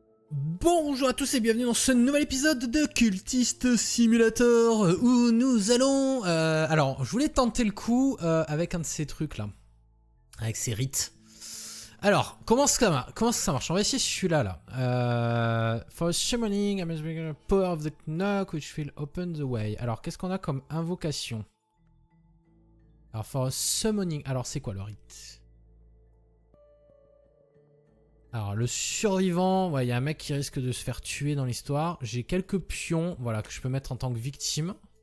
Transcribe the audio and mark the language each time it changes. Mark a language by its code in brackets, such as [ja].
[fr] Bonjour à tous et bienvenue dans ce nouvel épisode de Cultist Simulator où nous allons... Alors, je voulais tenter le coup avec un de ces trucs là, avec ces rites. Alors, comment ça marche? On va essayer celui-là là. [en] For summoning, I'm using the power of the knock which will open the way. [fr] Alors, qu'est-ce qu'on a comme invocation? Alors, [en] for summoning, [fr] alors c'est quoi le rite? Alors, le survivant, ouais, y a un mec qui risque de se faire tuer dans l'histoire. J'ai quelques pions, voilà, que je peux mettre en tant que victime.